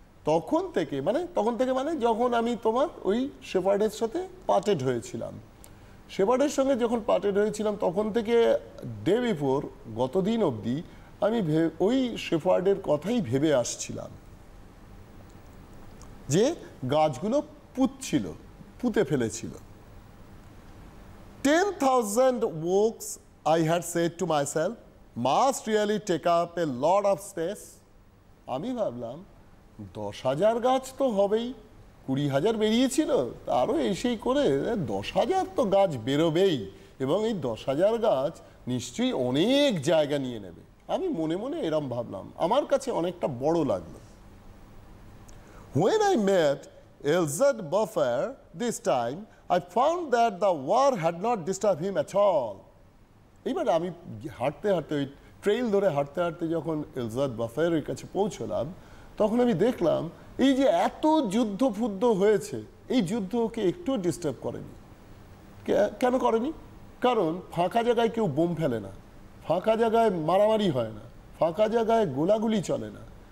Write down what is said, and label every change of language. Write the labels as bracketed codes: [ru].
[bn] তখন থেকে মানে, তখন থেকে মানে যখন আমি তোমার ওই শেফার্ডের সাথে পার্টেড হয়েছিলাম, শেফার্ডের সঙ্গে যখন পার্টেড হয়েছিলাম তখন থেকে [en] day before [bn] গতদিন অবধি আমি ওই শেফার্ডের কথাই ভেবে আসছিলাম, যে গাছগুলো পুঁতছিল, পুঁতে ফেলেছিল। [en] 10,000 oaks, I had said to myself, must really take up a lot of space. [bn] আমি ভাবলাম 10,000 গাছ তো হবেই, 20,000 বেরিয়েছিল, আরও এসেই করে 10,000 তো গাছ বেরোবেই, এবং এই 10,000 গাছ নিশ্চয়ই অনেক জায়গা নিয়ে নেবে। আমি মনে মনে এরম ভাবলাম, আমার কাছে অনেকটা বড় লাগল। [en] When I met Elzard Buffer this time, I found that the war had not disturbed him at all. [bn] এইবার আমি হাঁটতে হাঁটতে ওই ট্রেইল ধরে হাঁটতে হাঁটতে যখন এলজার্ড বাফারের কাছে পৌঁছলাম, তখন আমি দেখলাম এই যে এত যুদ্ধফুদ্ধ হয়েছে, এই যুদ্ধ ওকে একটু ডিস্টার্ব করেনি। কেন করেনি? কারণ ফাঁকা জায়গায় কেউ বোম ফেলে না, ফাঁকা জায়গায় মারামারি হয় না, ফাঁকা জায়গায় গোলাগুলি চলে না।